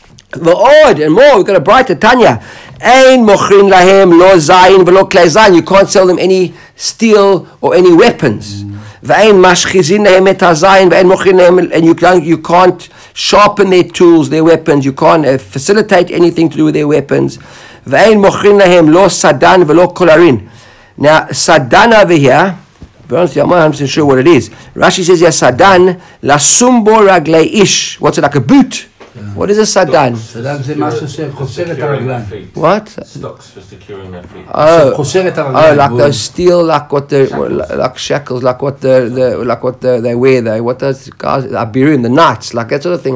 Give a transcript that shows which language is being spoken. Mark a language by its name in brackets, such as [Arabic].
[English] The odd and more, we've got a brighter tanya. [Hebrew] Ein mochrin lahem lo zayin velo klei zayin. [English] You can't sell them any steel or any weapons. [Hebrew] Ve'ein mashchizin lahem et hazayin ve'ein mochrin lahem. [English] And you can't sharpen their tools, their weapons. You can't facilitate anything to do with their weapons. [Hebrew] ואין מוכרים להם לא סדן ולא קולרין. [English] Now, סדן over here, honestly, I'm not sure what it is. Rashi says, yeah, סדן, [Hebrew] לסום בו רגלי איש. [English] What's it, like a boot? Yeah. What is a סדן? [Hebrew] סדן זה משהו שחוסר את הרגליים. [English] What? Stocks for securing their feet. Oh, oh, like those steel, like what the, shackles. Like shackles, like what the like what the, they wear, they, what those guys, the Iberian, the knots, like that sort of thing.